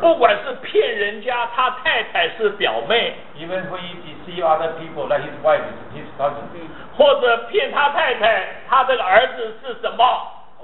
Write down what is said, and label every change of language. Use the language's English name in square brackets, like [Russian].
[Chinese] 不管是骗人家，他太太是表妹。 [English] Even when he deceive other people, like his wife is his cousin。 [Chinese] 或者骗他太太，他的儿子是什么？